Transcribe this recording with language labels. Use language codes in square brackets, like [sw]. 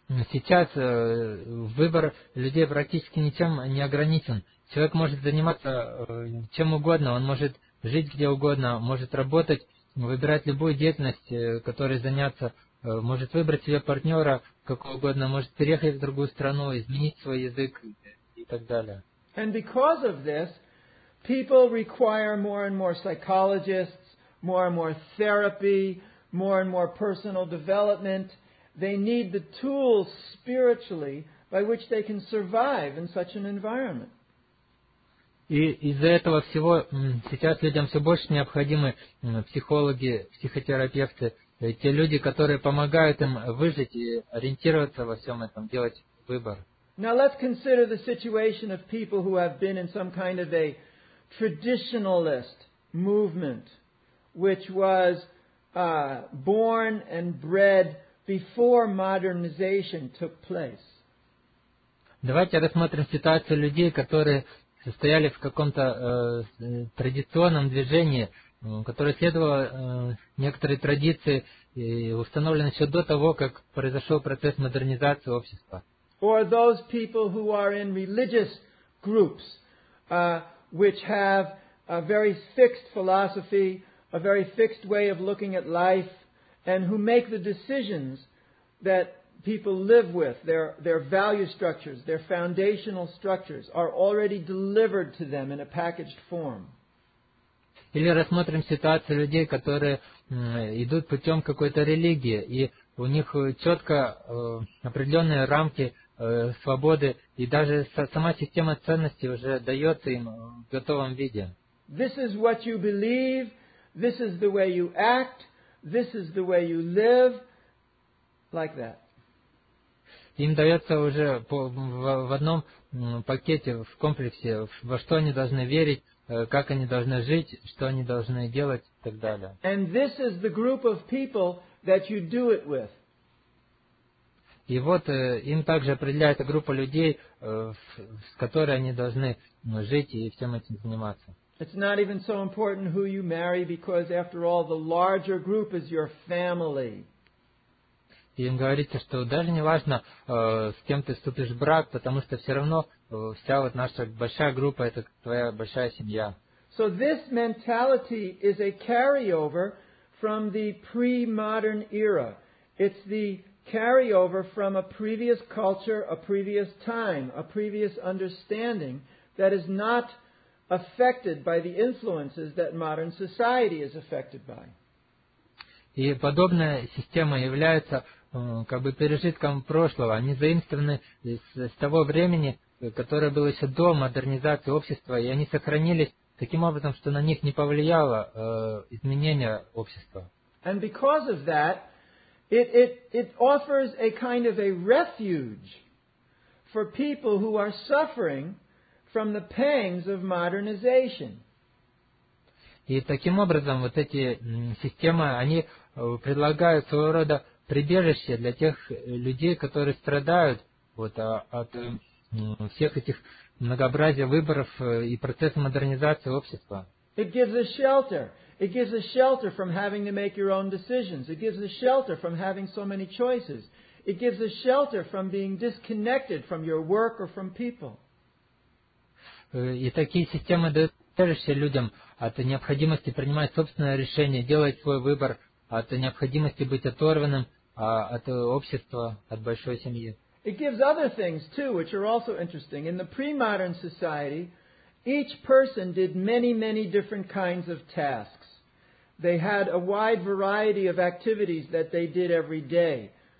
[ru] Сейчас выбор людей практически ничем не ограничен. Человек может заниматься чем угодно. Он может жить где угодно, может работать, выбирать любую деятельность, которой заняться, может выбрать себе партнера, какого угодно, может переехать в другую страну, изменить свой язык и так далее. [en] And because of this, people require more and more psychologists, more and more therapy, more and more personal development. They need the tools spiritually by which they can survive in such an environment. [ru] И из-за этого всего сейчас людям все больше необходимы психологи, психотерапевты, те люди, которые помогают им выжить и ориентироваться во всем этом, делать выбор. [en] Now let's consider the situation of people who have been in some kind of a traditionalist movement, which was born and bred before modernization took place. [ru] Давайте рассмотрим ситуацию людей, которые состояли в каком-то традиционном движении, которое следовало некоторые традиции и установлено еще до того, как произошел процесс модернизации общества. [en] Or those people who are in religious groups, which have a very fixed philosophy, a very fixed way of looking at life, and who make the decisions that people live with, their value structures, their foundational structures, are already delivered to them in a packaged form. [ru] Или рассмотрим ситуацию людей, которые идут путем какой-то религии, и у них четко определенные рамки свободы, и даже сама система ценностей уже дается им в готовом виде. [en] This is what you believe, this is the way you act, this is the way you live, like that. [ru] Им дается уже в одном пакете, в комплексе, во что они должны верить, как они должны жить, что они должны делать и так далее. [en] And this is the group of people that you do it with. [ru] И вот им также определяется группа людей, с которой они должны жить и всем этим заниматься. [en] It's not even so important who you marry, because after all, the larger group is your family. [ru] Им говорится, что даже не важно, с кем ты вступишь в брак, потому что все равно вся вот наша большая группа – это твоя большая семья. [en] So this mentality is a carryover from the pre-modern era. It's the carryover from a previous culture, a previous time, a previous understanding that is not affected by the influences that modern society is affected by. [ru] И подобная система является как бы пережитком прошлого. Они заимствованы с того времени, которое было еще до модернизации общества, и они сохранились таким образом, что на них не повлияло изменение общества. [en] And because of that, It offers a kind of a refuge for people who are suffering from the pangs of modernization. [ru] И таким образом вот эти системы, они предлагают своего рода прибежище для тех людей, которые страдают вот от всех этих многообразия выборов и процесса модернизации общества. [en] It gives a shelter. It gives a shelter from having to make your own decisions. It gives a shelter from having so many choices. It gives a shelter from being disconnected from your work or from people. [ru] И такие системы дают прибежище людям от необходимости принимать собственное решение, делать свой выбор, от необходимости быть оторванным от общества, от большой семьи. [en] It gives other things too, which are also interesting. In the pre-modern society, each person did many, many different kinds of tasks. They had a wide variety of activities that they did every day.